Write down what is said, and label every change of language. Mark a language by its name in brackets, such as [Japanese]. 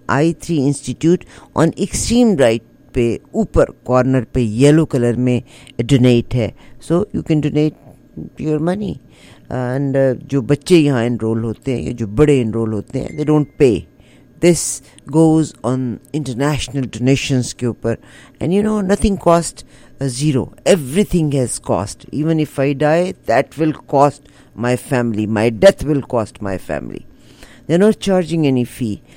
[English] I3 institute on extreme right [Hindi] पे ऊपर [English] corner पे yellow color में donate है. So you can donate your money. [Hindi] And जो बच्चे यहाँ enroll होते हैं या जो बड़े enroll होते हैं, [English] they don't pay. This goes on international donations [Hindi] के ऊपर. [English] And you know, nothing cost zero. Everything has cost. Even if I die, that will cost my family. My death will cost my family. They're not charging any fee.